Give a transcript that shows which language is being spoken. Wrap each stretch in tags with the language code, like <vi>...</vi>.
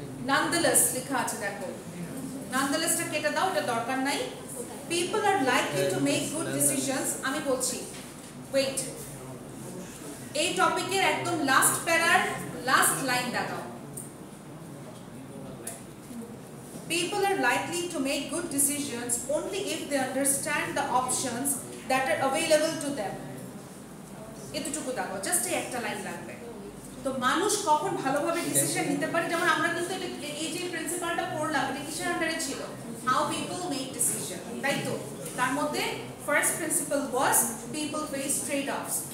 <bn>নন্দলেস লেখা আছে, দেখো নন্দলেসটা কেটে দাও, এটা দরকার নাই।</bn> <en>people are likely to make good decisions,</en> <bn>আমি বলছি। ওয়েট, এই টপিকের একদম লাস্ট প্যারার লাস্ট লাইন দেখাও।</bn> <en>People are likely to make good decisions only if they understand the options that are available to them.</en> <bn>এতটুকু দাও, জাস্ট এই একটা লাইন লাগবে। তো মানুষ কখন ভালোভাবে ডিসিশন নিতে পারে, যেমন আমরা কিন্তু এই যে প্রিন্সিপালটা পড়লাম, এটা কিসের আন্ডারে ছিল?</bn> <en>how people make decision,</en> <bn>তাই তো? তার মধ্যে</bn> <en>First principle was people face trade offs.</en>